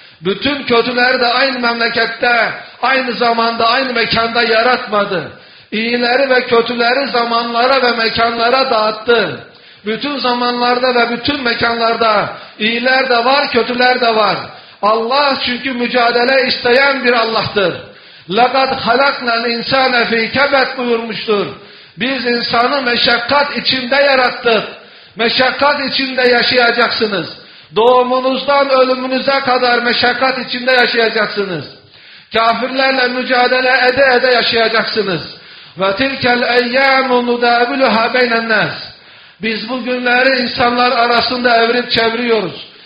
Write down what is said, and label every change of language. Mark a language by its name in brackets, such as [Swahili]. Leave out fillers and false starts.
[Turkish] Bütün kötüleri de aynı memlekette, aynı zamanda, aynı mekanda yaratmadı. İyileri ve kötüleri zamanlara ve mekanlara dağıttı. Bütün zamanlarda ve bütün mekanlarda iyiler de var, kötüler de var. Allah çünkü mücadele isteyen bir Allah'tır. [Arabic] لَقَدْ خَلَقْنَا الْاِنْسَانَ فِي كَبَدْ [Turkish] buyurmuştur. Biz insanı meşakkat içinde yarattık. Meşakkat içinde yaşayacaksınız. Doğumunuzdan ölümünüze kadar meşakkat içinde yaşayacaksınız. Kafirlerle mücadele ede ede yaşayacaksınız. [Arabic] وَتِلْكَ الْاَيَّامُ نُدَابِلُهَا بَيْنَ النَّاسِ [Turkish] Biz bu günleri insanlar arasında evirip çeviriyoruz.